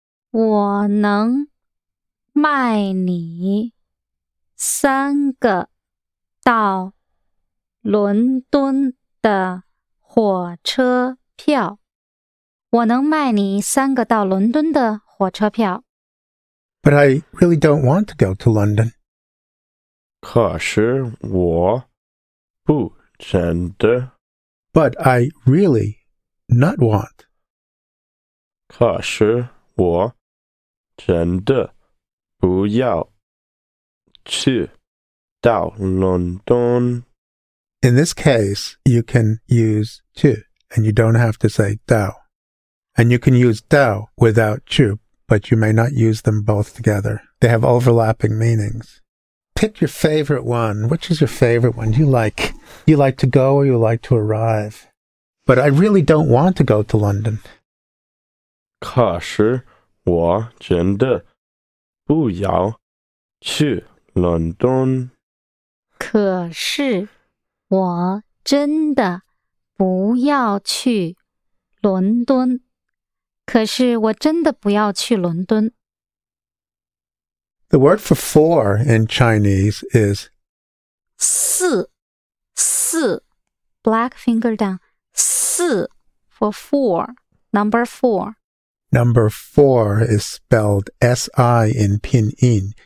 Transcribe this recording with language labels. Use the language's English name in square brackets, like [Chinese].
[Chinese] 我能卖你三个到伦敦的火车票。我能卖你三个到伦敦的火车票。 [English] But I really don't want to go to London. [Chinese] 可是我不真的 [English] But I really not want. [Chinese] 可是我真的不要去到伦敦。 [English] In this case, you can use 去, and you don't have to say 到. And you can use 到 without 去, but you may not use them both together. They have overlapping meanings. Pick your favorite one. Which is your favorite one? Do you like? You like to go or you like to arrive? But I really don't want to go to London. [Chinese] 可是我真的不要去伦敦。可是我真的不要去伦敦。可是我真的不要去伦敦。 [English] The word for 4 in Chinese is 四四 Black finger down 四 for 4 Number 4 Number 4 is spelled S-I in pinyin.